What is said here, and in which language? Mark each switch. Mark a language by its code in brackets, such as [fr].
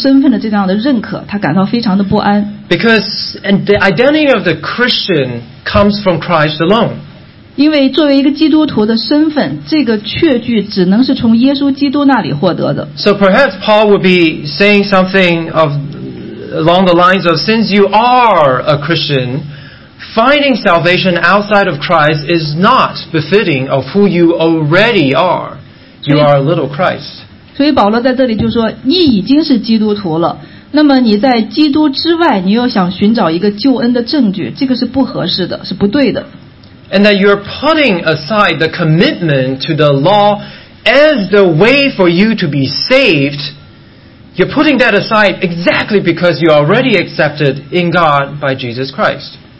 [zh] 所以呢，在这个经文里边，使徒保罗也对加拉太人寻找一个除了耶稣基督之外的他们是基督徒的身份的这样的认可，他感到非常的不安。 [en] Because the identity of the Christian comes from Christ alone. [zh] 因为作为一个基督徒的身份，这个确据只能是从耶稣基督那里获得的。 [en] So perhaps Paul would be saying something of along the lines of, since you are a Christian, finding salvation outside of Christ is not befitting of who you already are. You are a little Christ. [zh] 所以保罗在这里就说，你已经是基督徒了，那么你在基督之外，你又想寻找一个救恩的证据，这个是不合适的，是不对的。 [en] And that you're putting aside the commitment to the law as the way for you to be saved, you're putting that aside exactly because you're already accepted in God by Jesus Christ.